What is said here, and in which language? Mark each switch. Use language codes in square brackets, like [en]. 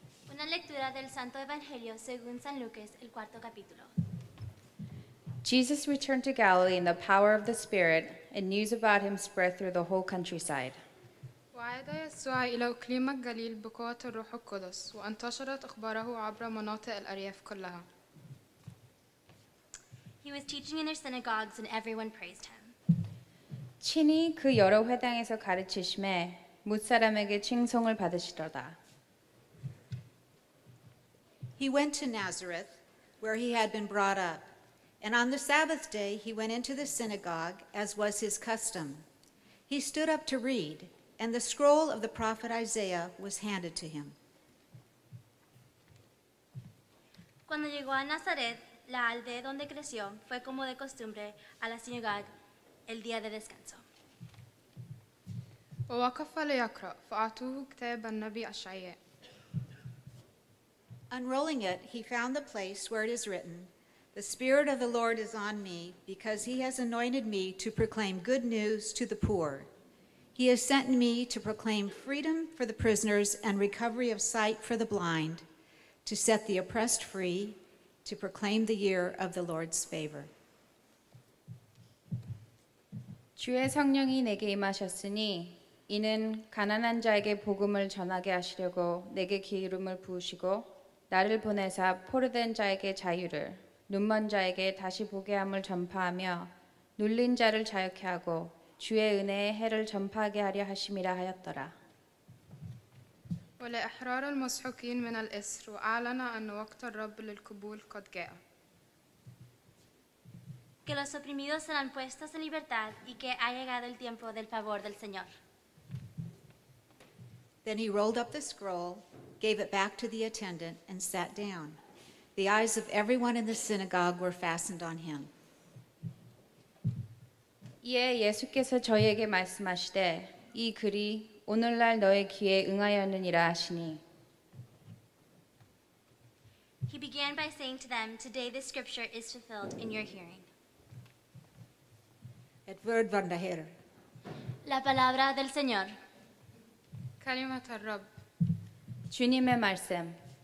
[es] Una lectura del Santo Evangelio según San Lucas, el cuarto capítulo. [en] Jesus returned to Galilee in the power of the Spirit, and news about him spread through the whole countryside. [ar] وعاد يسوع إلى أقليم الجليل بقوة الروح القدس، وانتشرت أخباره عبر مناطق الأرياف كلها. [en] He was teaching in their synagogues, and everyone praised him. [ko] 친히 그 여러 회당에서 가르치심에 뭇 사람에게 칭송을 받으시더다. [en] He went to Nazareth, where he had been brought up, and on the Sabbath day he went into the synagogue, as was his custom. He stood up to read, and the scroll of the prophet Isaiah was handed to him. [es] Cuando llegó a Nazaret, la aldea donde creció, fue como de costumbre a la sinagoga el día de descanso. [ar] ووقف ليقرأ فأعطوه كتاب النبي أشعياء. [en] Unrolling it, he found the place where it is written, "The Spirit of the Lord is on me, because he has anointed me to proclaim good news to the poor. He has sent me to proclaim freedom for the prisoners and recovery of sight for the blind, to set the oppressed free, to proclaim the year of the Lord's favor." [ko] 주의 성령이 내게 임하셨으니 이는 가난한 자에게 복음을 전하게 하시려고 내게 기름을 부으시고 나를 보내사 포로된 자에게 자유를 눈먼 자에게 다시 보게 함을 전파하며 눌린 자를 자유케 하고 주의 은혜의 해를 전파하게 하려 하심이라 하였더라. [ar] ولإحرار المسحوقين من الإسر وأعلن أن وقت الرب للقبول قد جاء. [es] que los oprimidos serán puestos en libertad y que ha llegado el tiempo del favor del Señor. [en] Then he rolled up the scroll, gave it back to the attendant, and sat down. The eyes of everyone in the synagogue were fastened on him. [ko] 이에 예수께서 저에게 말씀하시되 이 글이 오늘날 너의 귀에 응하였느니라 하시니. [en] He began by saying to them, "Today this scripture is fulfilled in your hearing." [nl] Et word van de Heer. [es] La palabra del Señor. Kalimat ha-Rab. [ko] 주님의 말씀.